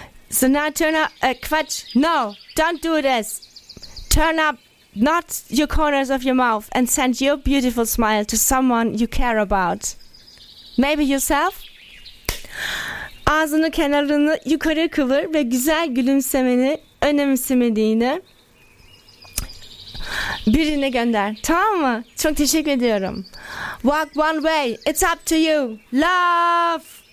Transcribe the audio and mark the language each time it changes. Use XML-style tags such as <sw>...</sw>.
<en>So now turn up, Quatsch, no, don't do this. Turn up not your corners of your mouth and send your beautiful smile to someone you care about. Maybe yourself?</en> <tr>Ağzını kenarını yukarı kıvır ve güzel gülümsemeni önemsemediğini birine gönder. Tamam mı? Çok teşekkür ediyorum.</tr> <en>Walk one way. It's up to you. Love!</en>